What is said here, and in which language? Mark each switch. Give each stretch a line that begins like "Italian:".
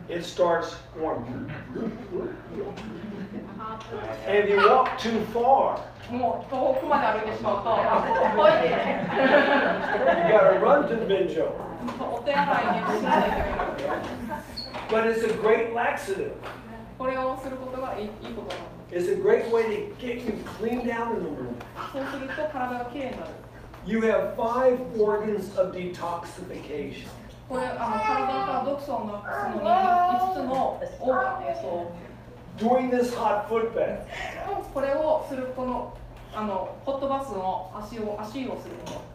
English: It starts warming. And if you walk too far,
Japanese: もう遠くまで歩いてしまうと、あ、ここ遠いで。
English: You got to run to the benjo.
Japanese: お手洗いに行かないといけない。
English: But it's a great laxative.
Japanese: これをすることがいいことなんです。
English: It's a great way to get you cleaned out in the room.
Japanese: そうすると体がきれいになる。
English: You have 5 organs of detoxification.
Japanese: これ、体から毒素を抜くその5つのオーガンです。
English: Doing this hot foot bath.
Japanese: これをするこの、ホットバスの足をすること。